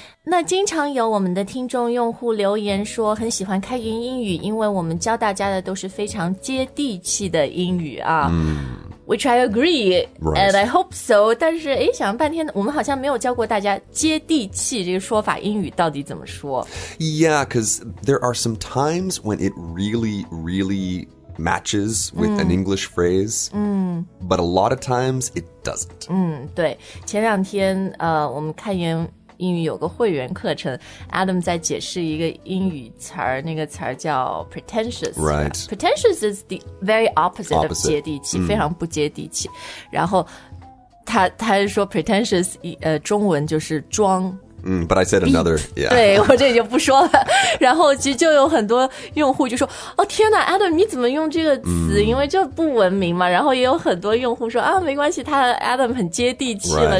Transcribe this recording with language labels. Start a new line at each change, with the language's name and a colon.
Chinese: 那经常有我们的听众用户留言说很喜欢看云英语，因为我们教大家的都是非常接地气的英语啊。
English: Which I agree,、 right. and I hope so.
Chinese: 但是诶想了半天，我们好像没有教过大家接地气这个说法，英语到底怎么说。
English: Yeah, because there are some times when it really, reallymatches with an English phrase, but a lot of times it doesn't.
Chinese: 对，前两天我们看云英语有个会员课程， Adam 在解释一个英语词儿，那个词儿叫 pretentious.
English: Right. Pretentious is the very opposite. Of
Chinese: 接地气，非常不接地气。然后他说 pretentious, 中文就是装。
English: But I said another, yeah.
Chinese: 对，我这就不说了。然后其实就有很多用户就说，哦，天哪 ，Adam， 你怎么用这个词？因为这不文明嘛。然后也有很多用户说，啊，没关系，他 Adam 很接地气了，